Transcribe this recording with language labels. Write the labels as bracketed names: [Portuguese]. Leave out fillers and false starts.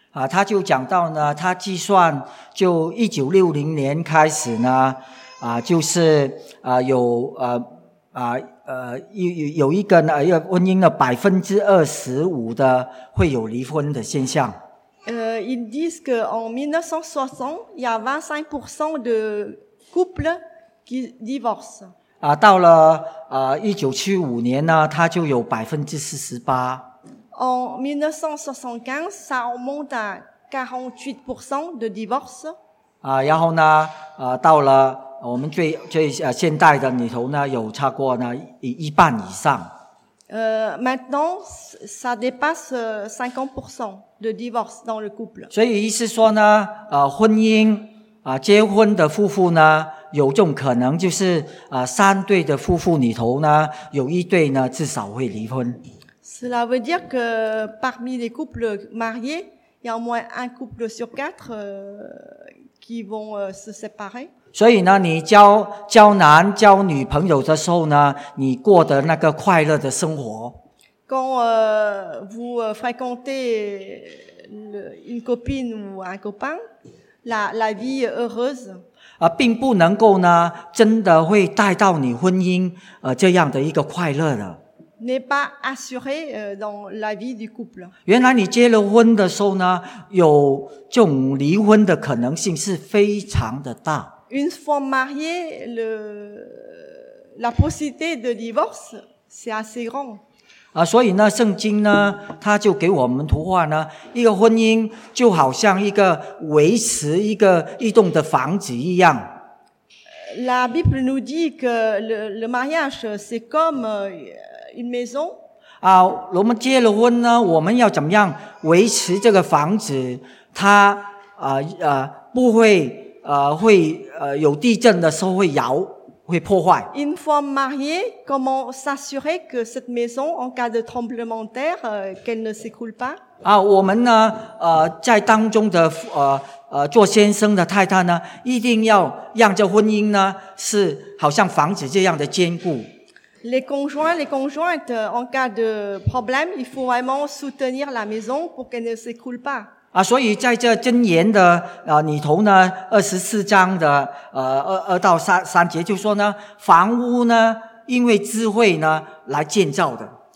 [Chinese] 他就讲到呢，他计算就1960年开始呢，就是有一个呢，婚姻的25%的会有离婚的现象。 [French] Ils disent qu'en 1960, il y a 25% de couples qui divorcent. [Chinese] 到了1975年呢，它就有48%。 [French] En 1975, ça augmente à 48% de divorces. [Chinese] 然后呢，到了我们最现代的里头呢，有超过呢一半以上。 [French] Maintenant, ça dépasse 50% de divorce dans le couple. [Chinese] 所以意思说呢，婚姻结婚的夫妇呢，有这种可能，就是三对的夫妇里头呢，有一对呢至少会离婚。 [French] Cela veut dire que parmi les couples mariés, il y a au moins un couple sur quatre qui vont se séparer. [Chinese] 所以呢，你交男交女朋友的时候呢，你过的那个快乐的生活。 [French] Quand vous fréquentez une copine ou un copain, la vie heureuse. [Chinese] 并不能够呢，真的会带到你婚姻这样的一个快乐的。 [French] N'est pas assuré dans la vie du couple. [Chinese] 原来你结了婚的时候呢，有这种离婚的可能性是非常的大。 [French] Une fois marié, la possibilité de divorce, c'est assez grand. [Chinese] 所以呢，圣经呢，它就给我们图画呢，一个婚姻就好像一个维持一栋的房子一样。 [French] La Bible nous dit que le mariage, c'est comme une maison. [Chinese] 我们结了婚呢，我们要怎么样维持这个房子，它不会会有地震的时候会摇，会破坏。 [French] Une fois mariée, comment s'assurer que cette maison, en cas de tremblement de terre, qu'elle ne s'écroule pas？ [Chinese] 我们呢，在当中的做先生的太太呢，一定要让这婚姻呢是好像房子这样的坚固。 [French] Les conjoints, les conjointes, en cas de problème, il faut vraiment soutenir la maison pour qu'elle ne s'écroule pas。 [Chinese] 所以在这箴言的里头呢，24章的2到3节就说呢，房屋呢，因为智慧呢来建造的。